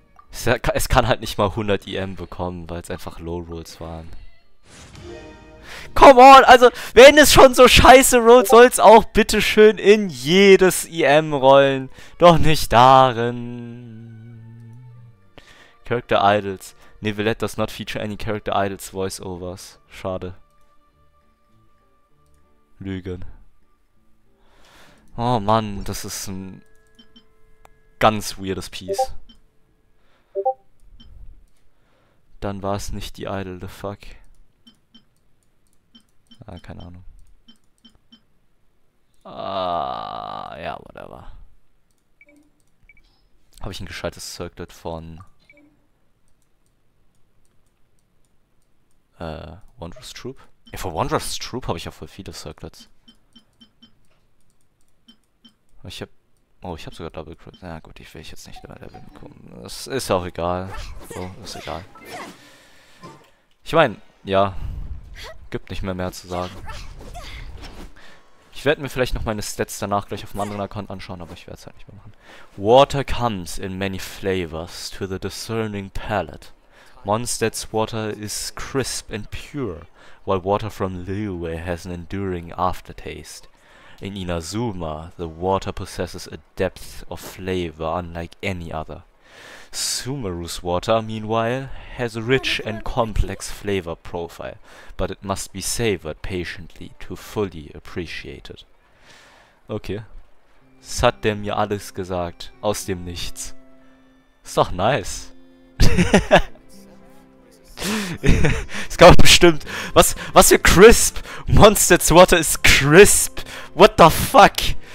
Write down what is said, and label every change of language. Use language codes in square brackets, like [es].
[de] Es kann halt nicht mal 100 IM bekommen, weil es einfach Low Rolls waren. [en] Come on, [de] also wenn es schon so scheiße rollt, soll es auch bitteschön in jedes IM rollen. Doch nicht darin. Character Idols. [en] Nivellette does not feature any character idols voiceovers. [de] Schade. Lügen. Oh Mann, das ist ein ganz weirdes Piece. Dann war es nicht die Idol, [en] the fuck. [de] Ah, keine Ahnung. Ah, ja, whatever. Habe ich ein gescheites Circlet von. Wondrous Troop? Ja, von Wondrous Troop habe ich ja voll viele Circlets. Ich hab. Oh, ich habe sogar Double Crit. Na gut, ich will jetzt nicht mehr Level bekommen. Das ist auch egal. So, ist egal. Ich meine, ja. Gibt nicht mehr zu sagen. Ich werde mir vielleicht noch meine Stats danach gleich auf einem anderen Account anschauen, aber ich werde es halt nicht mehr machen. [en] Water comes in many flavors to the discerning palate. Mondstadt's water is crisp and pure, while water from Liyue has an enduring aftertaste. In Inazuma, the water possesses a depth of flavor unlike any other. Sumeru's water, meanwhile, has a rich and complex flavor profile, but it must be savored patiently to fully appreciate it. Okay. [de] Das hat der mir alles gesagt, aus dem Nichts. Ist doch nice. Es kann man bestimmt. Was für Crisp? Monster's Water ist Crisp. [en] What the fuck?